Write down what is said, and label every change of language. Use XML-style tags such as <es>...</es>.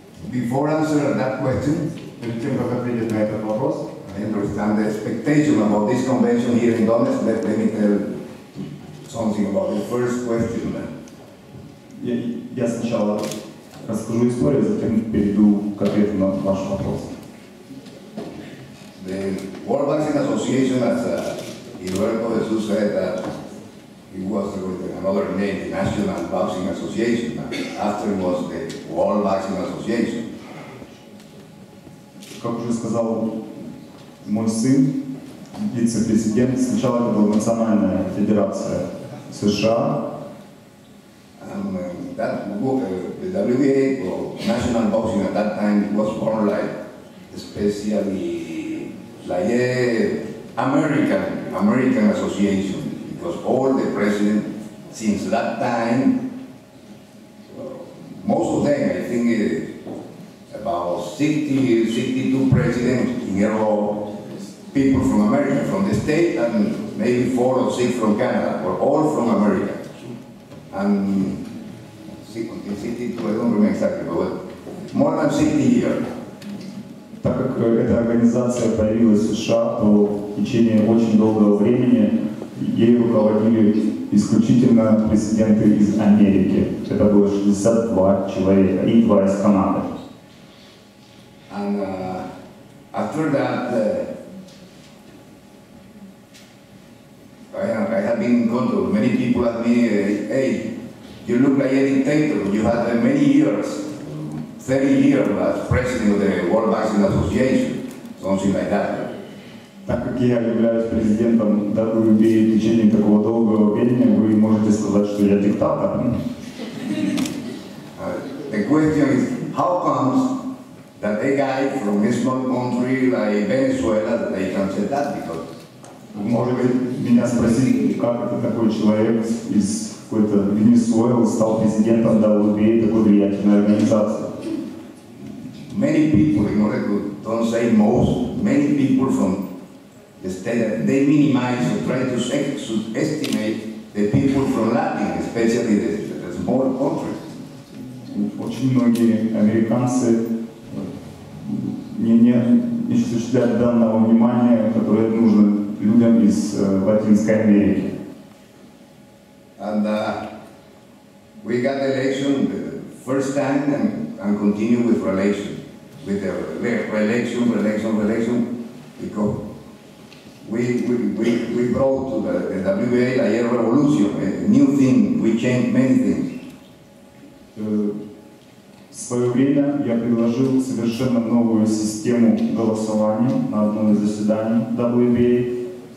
<en>Before answering that question, I understand the expectation about this convention here in Donetsk. Let me tell something about the first question.</en> <ru>Я сначала расскажу историю, затем перейду к ответу на ваш вопрос.</ru> <en>The World Boxing Association, as Gilberto Jesus said, it was another name, the National Boxing Association. After it was the World Boxing Association.</en> <ru>Как уже сказал мой сын, вице-президент, сначала это была Национальная Федерация США.</ru> <en>That book, the WBA, or National Boxing at that time, was born like, especially, like American Association, because all the presidents since that time, most of them, I think, about 62 presidents in a row, people from America, from the state, and maybe 4 or 6 from Canada, or all from America. And 62, I don't remember exactly, but more than 60 years.</en> <ru>Так как эта организация появилась в США, то в течение очень долгого времени ей руководили исключительно президенты из Америки. Это было 62 человека и 2 из Канады.</ru> <en>And after that, I have been in contact. Many people ask me, hey, you look like a dictator. You had many years, 30 years as president of the World Boxing Association, something like that.</en> <ru>Так как я являюсь президентом WBA в течение такого долгого времени, вы можете сказать, что я диктатор.</ru> <en>The question is, how comes that a guy from a small country like Venezuela, that they can say that, because...</en> <ru>Вы можете меня спросить, как это такой человек из какой-то Венесуэлы стал президентом WBA, такой влиятельной организации?</ru> <en>Many people, in order to don't say most, many people from the state, they minimize or try to estimate the people from Latin, especially the small countries.</en> <ru>Очень многие американцы не осуществляют данного внимания, которое нужно людям из Латинской Америки.</ru> <en>And we got the election the first time and continue with relation. With the re-election, because we brought to the WBA like a revolution, a new thing. We changed many things.</en> <ru>В свое время я предложил совершенно новую систему голосования на одном из заседаний WBA.</ru>